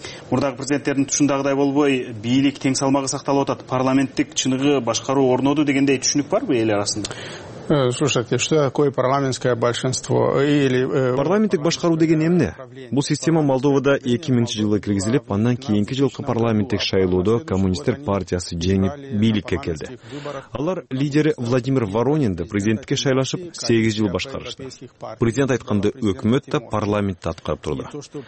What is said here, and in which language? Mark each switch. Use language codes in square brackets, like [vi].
[ky] Мурдагы президенттердин тушундагыдай болбой, бийлик тең салмагы сакталып атат, парламенттик чыныгы башкаруу орноду дегендей түшүнүк барбы эл арасында? [ru] Слушайте, что такое парламентское большинство? [ky] Парламенттик башкаруу деген эмне? Бул система Молдовада 2000 жылы киргизилип, андан кийинки жылкы парламенттик шайлоодо коммунисттер партиясы жеңип бийликке келди. Алар лидери Владимир Воронинди президенттикке шайлашып 8 жыл башкарышты. Президент айтканды өкмөт да парламентти аткарып турду.